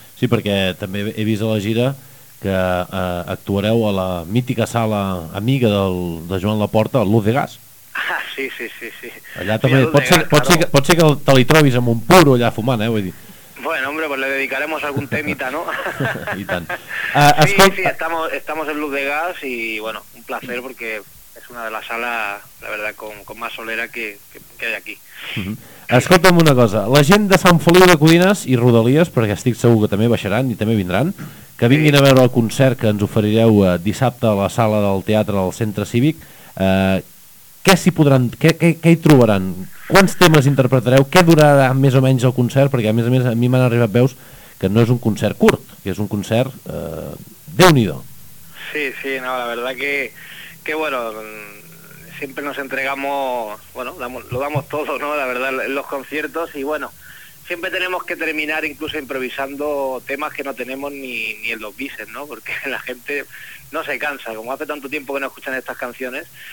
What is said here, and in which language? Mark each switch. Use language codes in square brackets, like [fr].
[ca] Sí, perquè també he vist a la gira que actuareu a la mítica sala amiga de Joan Laporta, Luz de Gas. Ah, sí, sí, sí, sí. Allà també, pot ser que te li trobis amb un puro allà fumant, vull dir. [es] Bueno, hombre, pues le dedicaremos algún temita, ¿no? [ca] I tant. [es] Estamos en Luz de Gas y, bueno, un placer porque es una de las salas, la verdad, con más solera que hay aquí. Uh-huh. [ca] Escolta'm una cosa, la gent de Sant Feliu de Codines i Rodalies, perquè estic segur que també baixaran i també vindran, que vinguin a veure el concert que ens oferireu dissabte a la sala del Teatre del Centre Cívic, què s'hi podran, què hi trobaran? Quants temes interpretareu? Què durarà més o menys el concert? Perquè a més a mi m'han arribat veus que no és un concert curt, que és un concert, déu-n'hi-do. [es] Sí, no, la verdad que bueno, siempre nos entregamos, bueno, lo damos todo, ¿no? La verdad, en los conciertos, y bueno, siempre tenemos que terminar incluso improvisando temas que no tenemos ni en los bises, ¿no? Porque la gente no se cansa, como hace tanto tiempo que no escuchan estas canciones.